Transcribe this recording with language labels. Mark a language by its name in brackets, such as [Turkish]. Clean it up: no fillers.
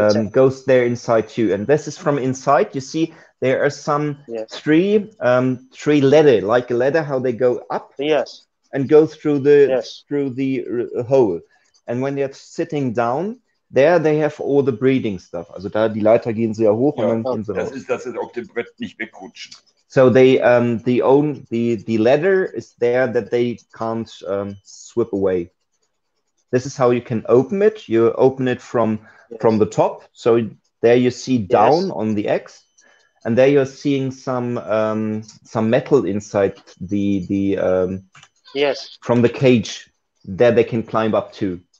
[English] Goes there inside too, and this is from inside. You see, there are some three ladder, like a ladder, how they go up, and go through the through the hole. And when they're sitting down, there they have all the breeding stuff. [German] Also da die Leiter gehen sehr hoch und dann gehen sie hoch. Das ist, dass sie auch dem Brett nicht wegrutschen. [English] So they the ladder is there that they can't sweep away. This is how you can open it. You open it from from the top. So there you see down on the X, and there you're seeing some metal inside the from the cage that they can climb up to.